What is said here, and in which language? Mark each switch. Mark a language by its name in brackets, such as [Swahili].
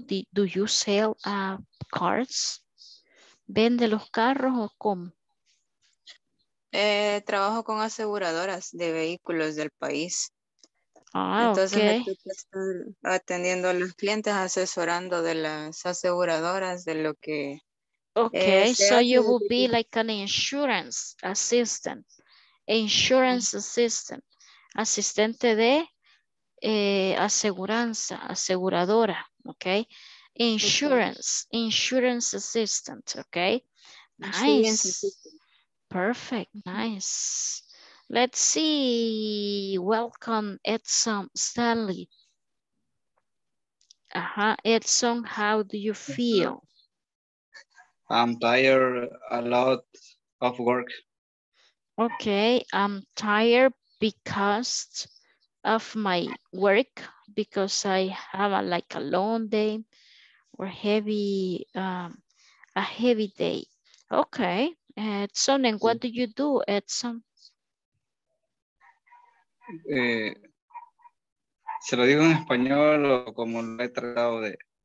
[English] Do you sell cars? [Spanish] ¿Vende los carros o cómo? Trabajo con aseguradoras de vehículos del país. Ah, entonces, [English] okay. [Spanish] Estoy atendiendo a los clientes, asesorando de las aseguradoras de lo que... [English] Okay, so you would be like an insurance assistant. Insurance assistant. [Spanish] Asistente de aseguranza, aseguradora, okay? [English] Insurance, okay. Insurance assistant, okay? Nice. Perfect, nice. Let's see. Welcome, Edson Stanley. Edson, how do you feel? I'm tired, a lot of work. Okay, I'm tired because of my work, because I have a long day or heavy, a heavy day. Okay, Edson, and what do you do, Edson? [Spanish] Se lo digo en español o como lo he tratado de...